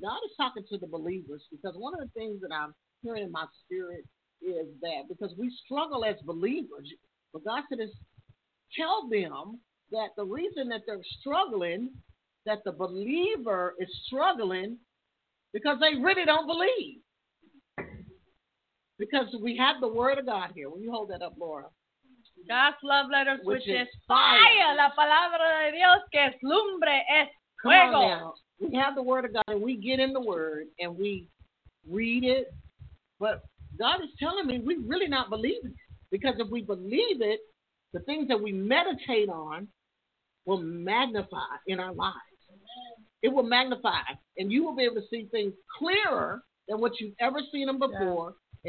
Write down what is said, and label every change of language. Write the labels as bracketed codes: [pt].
[en] God is talking to the believers, because one of the things that I'm hearing in my spirit is that because we struggle as believers, but God said, tell them that the reason that they're struggling, that the believer is struggling, because they really don't believe. Because we have the word of God here. Will you hold that up, Laura? God's love letters, which is fire. [es] La palabra de Dios, que es lumbre, es fuego. [en] Come on now. We have the word of God, and we get in the word, and we read it. But God is telling me we really not believe it. Because if we believe it, the things that we meditate on will magnify in our lives. It will magnify, and you will be able to see things clearer than what you've ever seen them before. Yeah.